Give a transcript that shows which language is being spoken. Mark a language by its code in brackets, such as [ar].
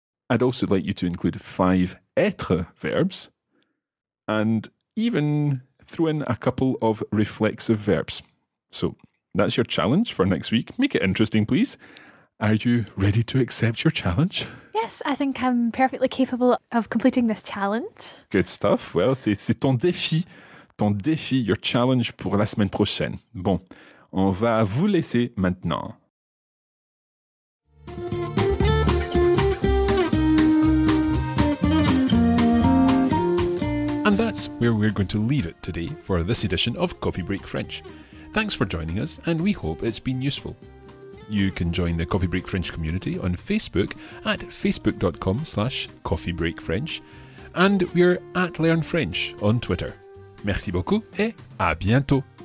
[en] I'd also like you to include 5 être verbs and even throw in a couple of reflexive verbs. So that's your challenge for next week. Make it interesting, please. Are you ready to accept your challenge? Yes, I think I'm perfectly capable of completing this challenge. Good stuff. Well, [fr] c'est ton défi. Ton défi, [en] your challenge [fr] pour la semaine prochaine. Bon, on va vous laisser maintenant. [en] And that's where we're going to leave it today for this edition of Coffee Break French. Thanks for joining us, and we hope it's been useful. You can join the Coffee Break French community on Facebook at facebook.com/coffeebreakfrench, and we're at Learn French on Twitter. [fr] Merci beaucoup et à bientôt.